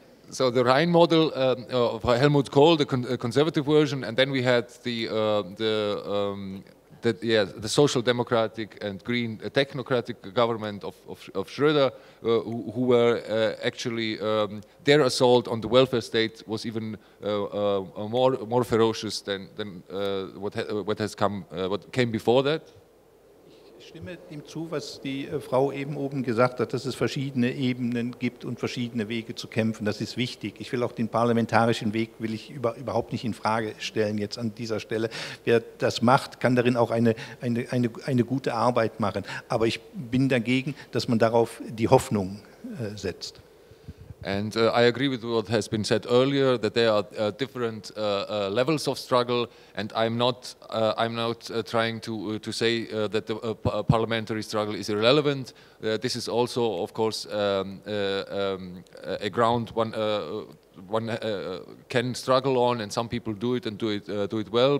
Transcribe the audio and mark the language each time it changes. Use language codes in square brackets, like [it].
[en] So the Rhine model of Helmut Kohl, the conservative version, and then we had the social democratic and green technocratic government of Schröder, who were actually their assault on the welfare state was even more ferocious than what came before that. [de] Ich stimme dem zu, was die Frau eben oben gesagt hat, dass es verschiedene Ebenen gibt und verschiedene Wege zu kämpfen. Das ist wichtig. Ich will auch den parlamentarischen Weg will ich überhaupt nicht in Frage stellen jetzt an dieser Stelle. Wer das macht, kann darin auch eine gute Arbeit machen. Aber ich bin dagegen, dass man darauf die Hoffnung setzt. [en] And I agree with what has been said earlier, that there are different levels of struggle, and I'm not trying to say that the parliamentary struggle is irrelevant. This is also, of course, a ground one can struggle on, and some people do it and do it well.